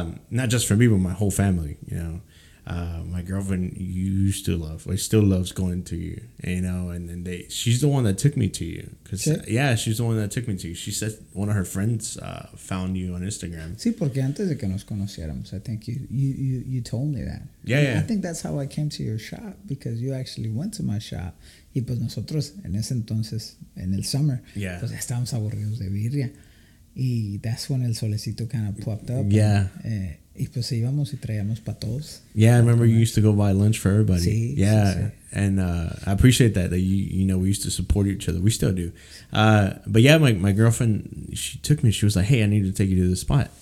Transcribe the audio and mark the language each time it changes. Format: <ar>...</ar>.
<en>Not just for me, but my whole family, you know. My girlfriend used to love, or still loves going to you, you know, and then she's the one that took me to you. She said one of her friends found you on Instagram.</en> <es>Sí, porque antes de que nos conociéramos,</es> <en>I think you told me that. Yeah. I think that's how I came to your shop, because you actually went to my shop.</en> <es>Y pues nosotros, en ese entonces, en el summer,</es> <en>yeah.</en> <es>pues estábamos aburridos de birria.</es> <en>Y that's when el solecito kind of popped up. Yeah.</en> <es>Y pues íbamos y traíamos para todos.</es> <en>Yeah, I remember you used to go buy lunch for everybody. Sí, yeah, sí. And I appreciate that you know, we used to support each other. We still do. But yeah, my girlfriend, she took me. She was like, hey, I need to take you to this spot.</en>